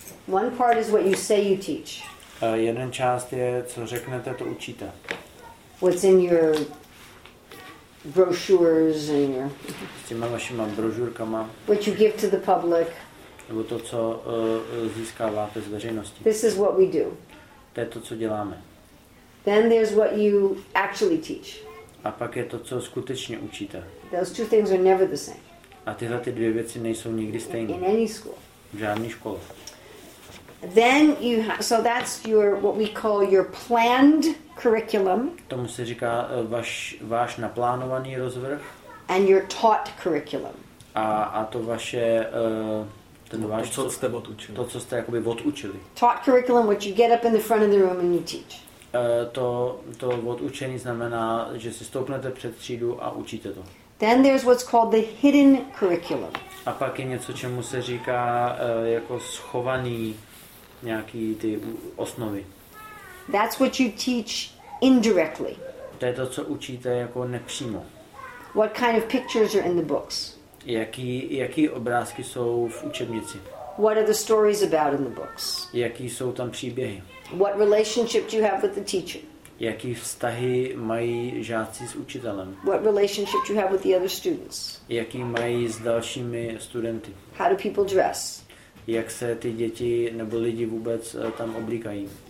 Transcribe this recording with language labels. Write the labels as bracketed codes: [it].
[en] One part is what you say you teach. [cs] Jeden část je, co řeknete, to učíte. [en] What's in your brochures and your. [cs] S těma vašima brožurkama. [en] What you give to the public. [cs] Nebo to, co získáváte z veřejnosti. [en] This is what we do. [cs] To je to, co děláme. [en] Then there's what you actually teach. [cs] A pak je to, co skutečně učíte. [en] Those two things are never the same. [cs] A tyhle ty dvě věci nejsou nikdy stejné. [en] In any school. [cs] V žádné škole. [en] Then you so that's your what we call your planned curriculum. [cs] Tomu se říká váš naplánovaný rozvrh. [en] And your taught curriculum. [cs] A to vaše ten váš to, co jste odučili. To co jste jakoby odučili. [en] Taught curriculum, what you get up in the front of the room and you teach. [cs] To odučení znamená, že si stoupnete před třídu a učíte to. [en] Then there's what's called the hidden curriculum. [cs] A pak je něco, čemu se říká jako schovaný nějaký ty osnovy. [en] That's what you teach indirectly. [cs] To je to, co učíte jako nepřímo. [en] What kind of pictures are in the books? [cs] Jaký obrázky jsou v učebnici? [en] What are the stories about in the books? [cs] Jaký jsou tam příběhy? [en] What relationship do you have with the teacher? [cs] Jaký vztahy mají žáci s učitelem? [en] What relationship do you have with the other students? [cs] Jaký mají s dalšími studenty? [en] How do people dress? [cs] Jak se ty děti nebo lidi vůbec tam oblíkají?